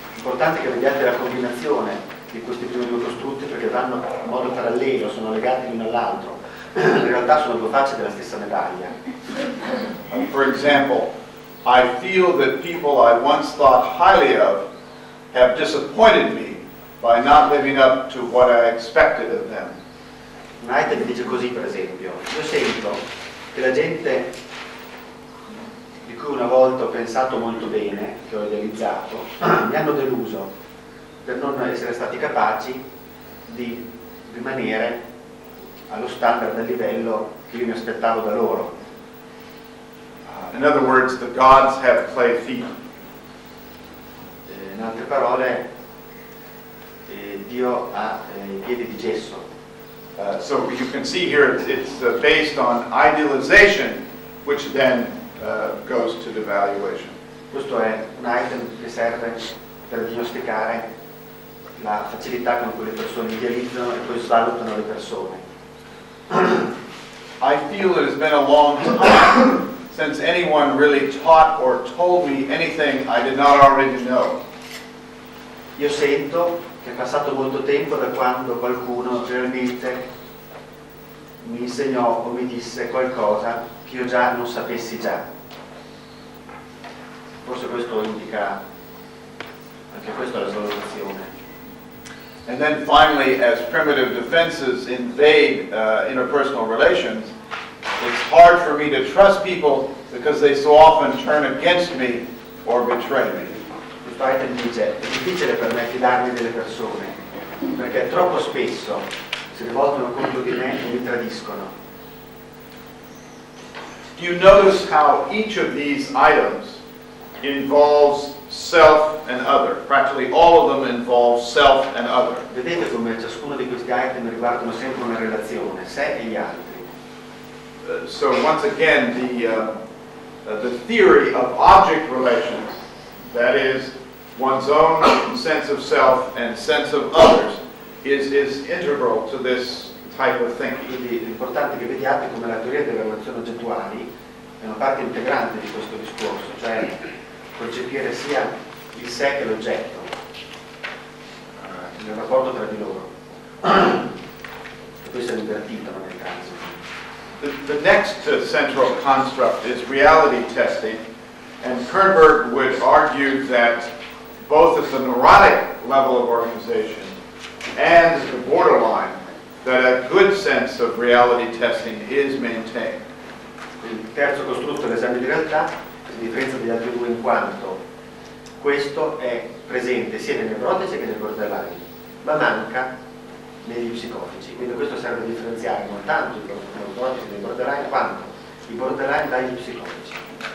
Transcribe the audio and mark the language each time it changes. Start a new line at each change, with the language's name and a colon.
Italian: Importante che vediate la combinazione di questi primi due costrutti perché vanno in modo parallelo, sono legati l'uno all'altro. In realtà sono due facce della stessa medaglia.
English: For example, I feel that people I once thought highly of have disappointed me by not living up to what I expected of them.
Italian: Knight mi dice così, per esempio. Io sento che la gente di cui una volta ho pensato molto bene, che ho idealizzato, mi hanno deluso per non essere stati capaci di rimanere allo standard, al livello che io mi aspettavo da loro.
English: In other words, the gods have clay feet.
Italian: In altre parole, Dio ha piedi di gesso.
English: So you can see here it's based on idealization, which then goes to devaluation.
Italian: Questo è un item che serve per diagnosticare la facilità con cui le persone idealizzano e poi svalutano le persone.
English: I feel it has been a long time since since anyone really taught or told me anything I did not already know.
Italian: Io sento che è passato molto tempo da quando qualcuno realmente mi insegnò o mi disse qualcosa che io già non sapessi già. Forse questo indica anche questo la svalutazione.
English: And then finally, as primitive defenses invade interpersonal relations, it's hard for me to trust people because they so often turn against me or betray me.
Italian: Python dice, è difficile per me fidarmi delle persone, perché troppo spesso si rivolgono contro di me e mi tradiscono.
English: Do you notice how each of these items involves self and other? Practically all of them involve self and other.
Italian: Vedete come ciascuno di questi item riguardano sempre una relazione, sé e gli altri.
English: So once again, the theory of object relations, that is, one's own sense of self and sense of others is integral to this type of thinking.
Italian: Quindi l'importante è che vediate come la teoria delle relazioni oggettuali è una parte integrante di questo discorso, cioè concepire sia il sé che l'oggetto nel rapporto tra di loro. Questo è invertito nel caso.
English: The next central construct is reality testing, and Kernberg would argue that both at the neurotic level of organization and the borderline, that a good sense of reality testing is maintained.
Italian: Il terzo costrutto è l'esame di realtà, si differenzia dagli altri due in quanto questo è presente sia nei nevrotici che nei borderline, ma manca negli psicotici. Quindi questo serve a differenziare non tanto i nevrotici dai borderline, quanto i borderline dagli psicotici.